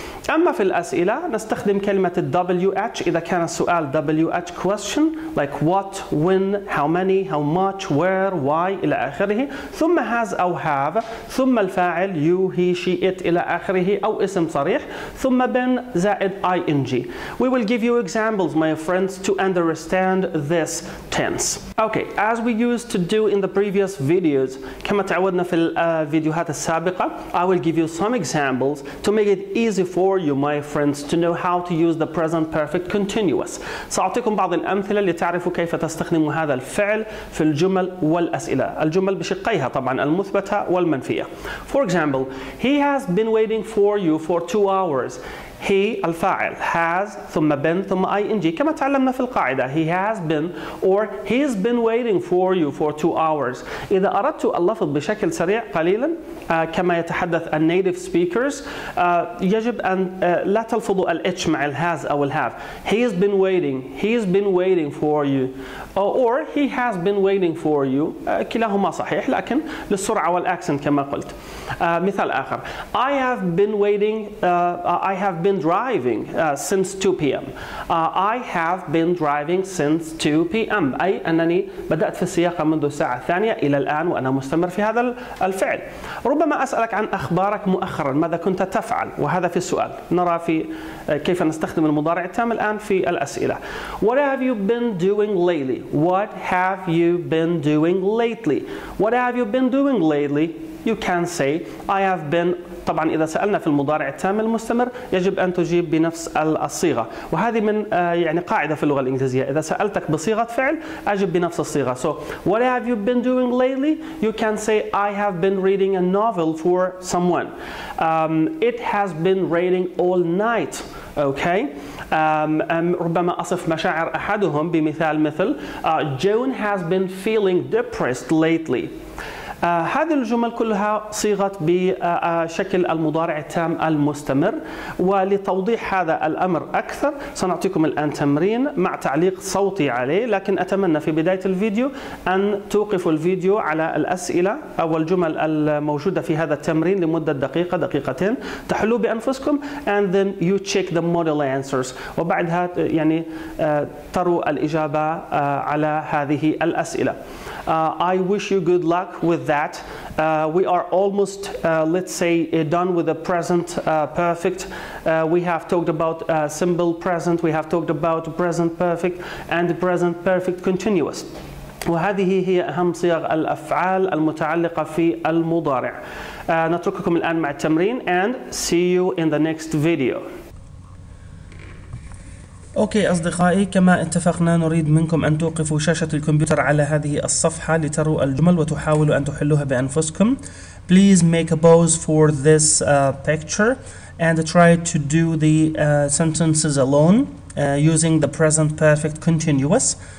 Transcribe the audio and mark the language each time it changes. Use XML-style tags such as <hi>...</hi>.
<ar>أما في الأسئلة نستخدم كلمة wh إذا كان السؤال wh question</ar> <en>like what, when, how many, how much, where, why</en> <ar>إلى آخره، ثم has أو have ثم الفاعل you, he, she, it إلى آخره أو اسم صريح ثم been زائد ing.</ar> <en>We will give you examples my friends to understand this tense. Okay, as we used to do in the previous videos،</en> <ar>كما تعودنا في الفيديوهات السابقة،</ar> <en>I will give you some examples to make it easy for you my friends to know how to use the present perfect continuous.</en> <ar>سأعطيكم بعض الأمثلة لتعرفوا كيف تستخدموا هذا الفعل في الجمل والأسئلة، الجمل بشقيها طبعا المثبتة والمنفية.</ar> <en>For example, he has been waiting for you for 2 hours. He الفاعل has ثم been ثم ing</en> <ar>كما تعلمنا في القاعدة</ar> <en>he has been or he's been waiting for you for 2 hours.</en> <ar>إذا أردت اللفظ بشكل سريع قليلا كما يتحدث الـ native speakers يجب أن لا تلفظوا الـ h مع الـ has أو الـ have.</ar> <en>He's been waiting, he's been waiting for you or he has been waiting for you.</en> <ar>كلاهما صحيح لكن للسرعة والأكسنت كما قلت. مثال آخر،</ar> <en>I have been waiting, I have been driving since 2 p.m. I have been driving since 2 p.m.</en> <ar>أي أنني بدأت في السياقة منذ الساعة الثانية إلى الآن وأنا مستمر في هذا الفعل. ربما أسألك عن أخبارك مؤخرا، ماذا كنت تفعل؟ وهذا في السؤال، نرى في كيف نستخدم المضارع التام الآن في الأسئلة.</ar> <en>What have you been doing lately? What have you been doing lately? What have you been doing lately? You can say I have been.</en> <ar>طبعا إذا سألنا في المضارع التام المستمر يجب أن تجيب بنفس الصيغة، وهذه من يعني قاعدة في اللغة الإنجليزية، إذا سألتك بصيغة فعل أجب بنفس الصيغة.</ar> <en>So what have you been doing lately? You can say I have been reading a novel for someone. It has been raining all night. Okay.</en> <ar>ربما أصف مشاعر أحدهم بمثال مثل</ar> <en>Joan has been feeling depressed lately.</en> <ar>هذه الجمل كلها صيغت بشكل المضارع التام المستمر. ولتوضيح هذا الأمر أكثر سنعطيكم الآن تمرين مع تعليق صوتي عليه، لكن أتمنى في بداية الفيديو أن توقفوا الفيديو على الأسئلة أو الجمل الموجودة في هذا التمرين لمدة دقيقة دقيقتين، تحلوا بأنفسكم</ar> <en>and then you check the model answers،</en> <ar>وبعدها يعني تروا الإجابة على هذه الأسئلة.</ar> <en>I wish you good luck with that. We are almost, let's say, done with the present perfect. We have talked about simple present. We have talked about present perfect and present perfect continuous.</en> <ar>وهذه هي أهم صيغ الأفعال المتعلقة في المضارع. نترككم الآن مع التمرين</ar> <en>and see you in the next video.</en> <ar>أوكي أصدقائي، كما اتفقنا نريد منكم أن توقفوا شاشة الكمبيوتر على هذه الصفحة لتروا الجمل وتحاولوا أن تحلوها بأنفسكم.</ar> <en>Please make a pause for this picture and try to do the sentences alone using the present perfect continuous.</en>